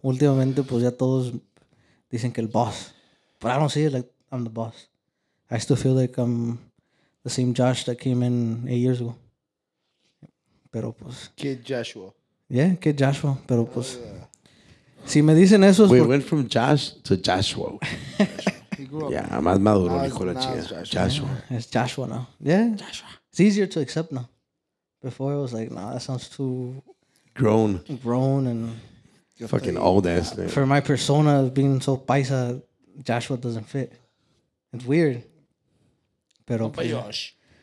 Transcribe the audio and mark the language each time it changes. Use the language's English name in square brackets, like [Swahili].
[Spanish] Últimamente, pues ya todos dicen que el boss. [English] But I don't see it like I'm the boss. I still feel like I'm the same Josh that came in 8 years ago. [Spanish] Pero pues... [English] Kid Joshua. Yeah, [Spanish] Kid Joshua. Pero pues... Yeah. Si me dicen eso... [English] We went from Josh to Joshua. [Spanish] Ya, [English] yeah, [Spanish] más maduro, hijo de la chica. [English] Joshua. Es Joshua now. Yeah. Joshua. It's easier to accept now. Before it was like, nah, that sounds too... Grown and... Fucking old ass. Yeah. For my persona being so paisa, Joshua doesn't fit. It's weird. Pero... [Spanish] Compa pues, Josh.